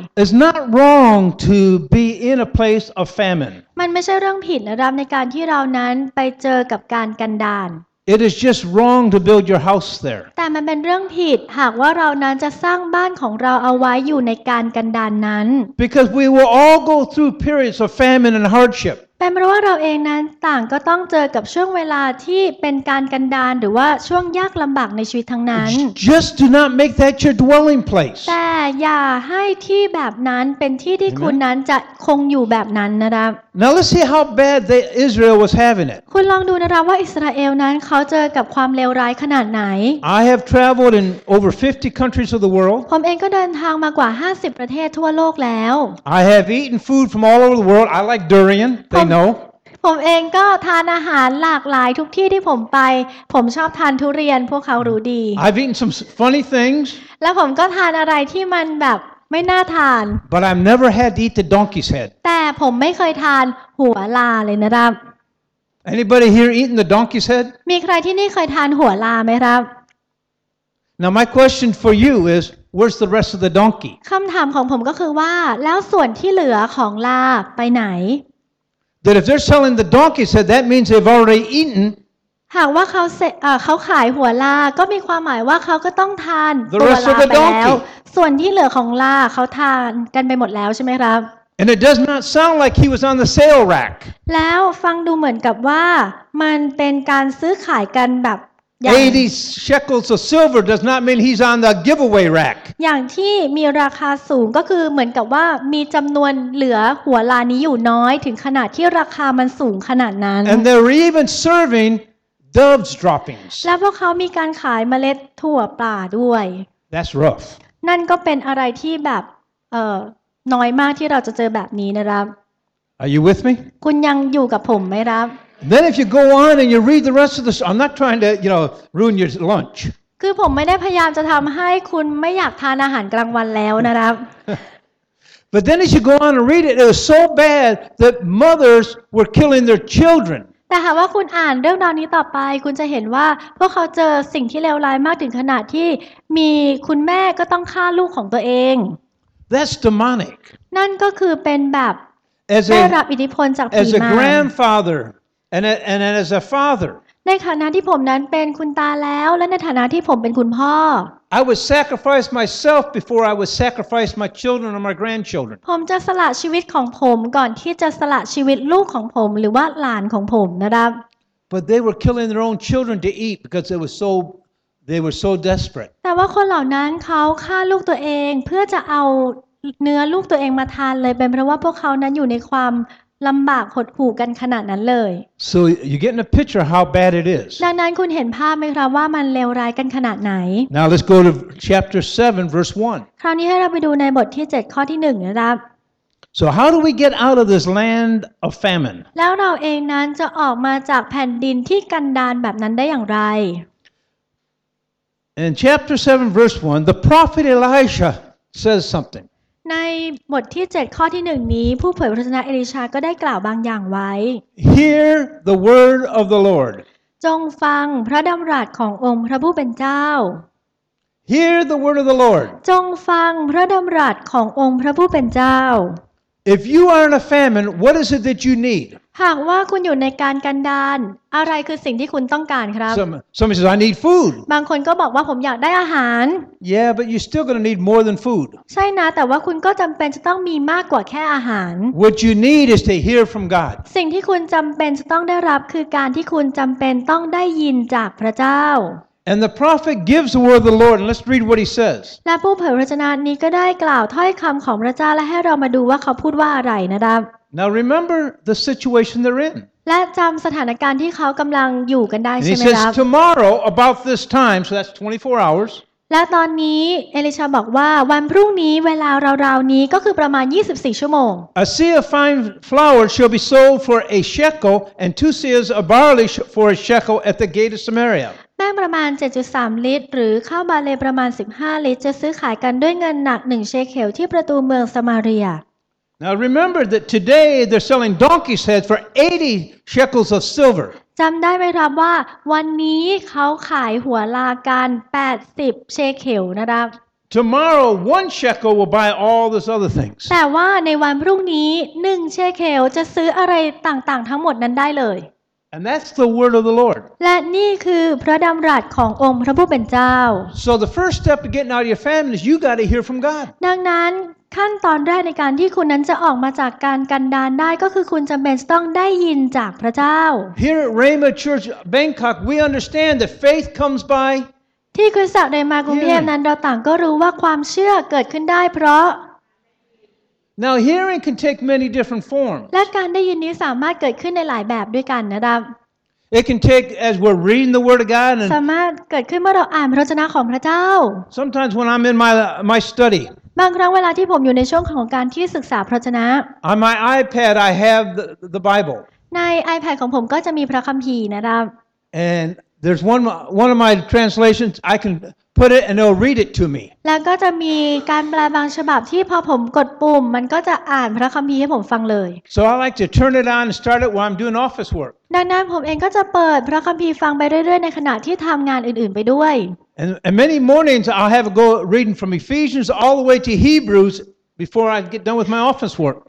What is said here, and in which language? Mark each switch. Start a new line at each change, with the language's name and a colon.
English: It's not wrong to be in a place of famine
Thai: มันไม่ใช่เรื่องผิดนะครับในการที่เรานั้นไปเจอกับการกันดาร
English: It is just wrong to build your house there.
Thai: แต่มันเป็นเรื่องผิดหากว่าเรานั้นจะสร้างบ้านของเราเอาไว้อยู่ในการกันดารนั้น
English: Because we will all go through periods of famine and hardship.
Thai: เป็นเพราะว่าเราเองนั้นต่างก็ต้องเจอกับช่วงเวลาที่เป็นการกันดารหรือว่าช่วงยากลำบากในชีวิตทั้งนั้น
English: Just do not make that your dwelling place.
Thai: แต่อย่าให้ที่แบบนั้นเป็นที่ที่คุณนั้นจะคงอยู่แบบนั้นนะครับ
English: Now let's see how bad the Israel was having it.
Thai: คุณลองดูนะครับว่าอิสราเอลนั้นเขาเจอกับความเลวร้ายขนาดไหน
English: I have traveled in over 50 countries of the world.
Thai: ผมเองก็เดินทางมากว่า50ประเทศทั่วโลกแล้ว
English: I have eaten food from all over the world. I like durian. They know.
Thai: ผมเองก็ทานอาหารหลากหลายทุกที่ที่ผมไปผมชอบทานทุเรียนพวกเขารู้ดี
English: I've eaten some funny things.
Thai: แล้วผมก็ทานอะไรที่มันแบบไม่น่าทาน
English: But I've never had to eat the donkey's head.
Thai: แต่ผมไม่เคยทานหัวลาเลยนะครับ
English: Anybody here eaten the donkey's head?
Thai: มีใครที่นี่เคยทานหัวลาไหมครับ
English: Now my question for you is, where's the rest of the donkey?
Thai: คำถามของผมก็คือว่าแล้วส่วนที่เหลือของลาไปไหน
English: That if they're selling the donkey's head, that means they've already eaten.
Thai: หากว่าเขาขายหัวลาก็มีความหมายว่าเขาก็ต้องทานตั วลา ไปแ ล้ วส่วนที่เหลือของลาเขาทานกันไปหมดแล้วใช่ไหมครับ
English: And it does not sound like he was on the sale rack
Thai: แล้วฟังดูเหมือนกับว่ามันเป็นการซื้อขายกันแบบ
English: 80 shekels of silver does not mean he's on the giveaway rack
Thai: อย่างที่มีราคาสูงก็คือเหมือนกับว่ามีจำนวนเหลือหัวลานี้อยู่น้อยถึงขนาดที่ราคามันสูงขนาดนั้น
English: And they're even servingDoves droppings.
Thai: แล้วพวกเขามีการขายเมล็ดถั่วป่าด้วย
English: That's rough.
Thai: นั่นก็เป็นอะไรที่แบบน้อยมากที่เราจะเจอแบบนี้นะครับ
English: Are you with me?
Thai: คุณยังอยู่กับผมไหมครับ
English: Then if you go on and you read the rest of this, I'm not trying to, you know, ruin your lunch.
Thai: คือผมไม่ได้พยายามจะทำให้คุณไม่อยากทานอาหารกลางวันแล้วนะครับ
English: But then if you go on and read it, it was so bad that mothers were killing their children.
Thai: แต่หากว่าคุณอ่านเรื่องราวนี้ต่อไปคุณจะเห็นว่าพวกเขาเจอสิ่งที่เลวร้ายมากถึงขนาดที่มีคุณแม่ก็ต้องฆ่าลูกของตัวเอง
English: That's demonic
Thai: นั่นก็คือเป็นแบบได้รับอิทธิพลจากผีมา
English: As a grandfather and as a father
Thai: ในฐานะที่ผมนั้นเป็นคุณตาแล้วและในฐานะที่ผมเป็นคุณพ่อ
English: I would sacrifice myself before I would sacrifice my children or my grandchildren.
Thai: ผมจะสละชีวิตของผมก่อนที่จะสละชีวิตลูกของผมหรือว่าหลานของผมนะครับ
English: But they were killing their own children to eat because they were so desperate.
Thai: แต่ว่าคนเหล่านั้นเขาฆ่าลูกตัวเองเพื่อจะเอาเนื้อลูกตัวเองมาทานเลยเป็นเพราะว่าพวกเขานั้นอยู่ในความลำบากหดหู่กันขนาดนั้นเลย
English: So you get a picture how bad it is
Thai: ดังนั้นคุณเห็นภาพไหมครับว่ามันเลวร้ายกันขนาดไหน
English: Now let's go to chapter 7 verse 1
Thai: คราวนี้ให้เราไปดูในบทที่7ข้อที่1นะครับ
English: So how do we get out of this land of famine
Thai: แล้วเราเองนั้นจะออกมาจากแผ่นดินที่กันดารแบบนั้นได้อย่างไร
English: In chapter 7 verse 1 the prophet Elisha says something
Thai: ในบทที่7ข้อที่1นี้ผู้เผยพระชนะเอลีชาก็ได้กล่าวบางอย่างไว้
English: Hear the word of the Lord
Thai: จงฟังพระดำรัสขององค์พระผู้เป็นเจ้า
English: Hear the word of the Lord
Thai: จงฟังพระดำรัสขององค์พระผู้เป็นเจ้า
English: If you are in a famine what is it that you need
Thai: หากว่าคุณอยู่ในการกันดารอะไรคือสิ่งที่คุณต้องการครับ
English: Somebody says I need food
Thai: บางคนก็บอกว่าผมอยากได้อาหาร
English: Yeah but you're still going to need more than food
Thai: ใช่นะแต่ว่าคุณก็จําเป็นจะต้องมีมากกว่าแค่อาหาร
English: What you need is to hear from God
Thai: สิ่งที่คุณจําเป็นจะต้องได้รับคือการที่คุณจําเป็นต้องได้ยินจากพระเจ้า
English: And the prophet gives the word of the Lord and let's read what he says
Thai: และผู้เผยพระชนะนี้ก็ได้กล่าวถ้อยคําของพระเจ้าและให้เรามาดูว่าเขาพูดว่าอะไรนะครับ
English: Now remember the situation they're in.
Thai: และจำสถานการณ์ที่เขากำลังอยู่กันได้ใช่ไหมครับ
English: And he says tomorrow about this time, so that's 24 hours.
Thai: และตอนนี้เอลิชาบอกว่าวันพรุ่งนี้เวลาราวๆนี้ก็คือประมาณ24ชั่วโมง
English: A seah of fine flour shall be sold for a shekel, and two seahs of barley for a shekel at the gate of Samaria.
Thai: แป้งประมาณ 7.3 ลิตรหรือข้าวบาเลประมาณ15ลิตรจะซื้อขายกันด้วยเงินหนัก1เชเคลที่ประตูเมืองซามาเรีย
English: Now remember that today they're selling donkey's heads for 80 shekels of silver.
Thai: จำได้ไหมครับว่าวันนี้เขาขายหัวลาการ80เชเคลนะครับ
English: Tomorrow one shekel will buy all those other things.
Thai: แต่ว่าในวันพรุ่งนี้1เชเคลจะซื้ออะไรต่างๆทั้งหมดนั้นได้เลย
English: And that's the word of the Lord.
Thai: และนี่คือพระดำรัสขององค์พระผู้เป็นเจ้า
English: So the first step to getting out of your famine is you got to hear from God.
Thai: ดังนั้นขั้นตอนแรกในการที่คุณนั้นจะออกมาจากการกันดารได้ก็คือคุณจำเป็นต้องได้ยินจากพระเจ้า
English: Here at Rhema Church Bangkok we understand that faith comes by
Thai: ที่คริสตจักรในกรุงเทพนั้นเราต่างก็รู้ว่าความเชื่อเกิดขึ้นได้เพราะ
English: Now hearing can take many different forms
Thai: และการได้ยินนี้สามารถเกิดขึ้นในหลายแบบด้วยกันนะครับ
English: It can take as we're reading the word of God
Thai: สามารถเกิดขึ้นเมื่อเราอ่านพระวจนะของพระเจ้า
English: Sometimes when I'm in my study
Thai: บางครั้งเวลาที่ผมอยู่ในช่วงของการที่ศึกษาพระวจนะ
English: On my iPad I have the Bible
Thai: ใน iPad ของผมก็จะมีพระคัมภีร์นะครับ
English: And there's one of my translations I can put it and it'll read it to me
Thai: แล้วก็จะมีการแปลบางฉบับที่พอผมกดปุ่มมันก็จะอ่านพระคัมภีร์ให้ผมฟังเลย
English: So I like to turn it on and start it while I'm doing office work
Thai: ดังนั้นผมเองก็จะเปิดพระคัมภีร์ฟังไปเรื่อยๆในขณะที่ทำงานอื่นๆไปด้วย
English: And many mornings I'll have a go reading from Ephesians all the way to Hebrews before I get done with my office work.